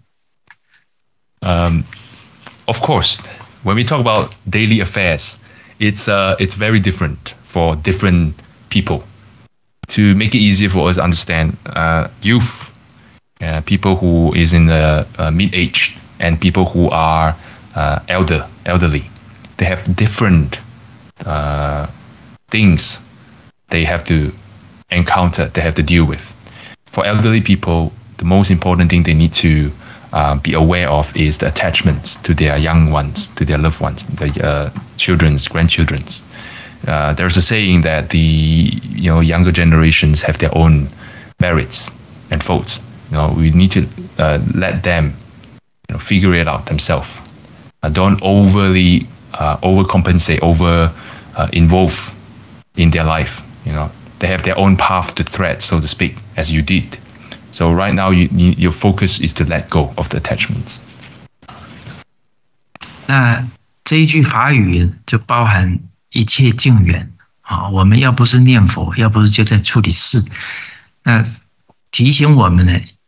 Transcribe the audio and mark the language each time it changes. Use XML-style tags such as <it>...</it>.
<zh>老年呢，他面对的生活工作情境啊，还是有点不一样。所以老人呢，可能就是要放得下啊，儿孙自有儿孙福，不要乱操心。</zh> <en>Of course, when we talk about daily affairs, it's very different for different people. To make it easier for us to understand, youth. People who is in the mid-age and people who are elderly, they have different things they have to encounter, they have to deal with. For elderly people, the most important thing they need to be aware of is the attachments to their young ones, to their loved ones, the children's, grandchildren's. There's a saying that the younger generations have their own merits and faults. You know, we need to let them figure it out themselves. Don't overly overcompensate, over involve in their life. You know, they have their own path to thread, so to speak, as you did. So right now, your focus is to let go of the attachments.</en> <zh>那这一句法语就包含一切境缘。好，我们要不是念佛，要不是就在处理事，那提醒我们呢？</zh>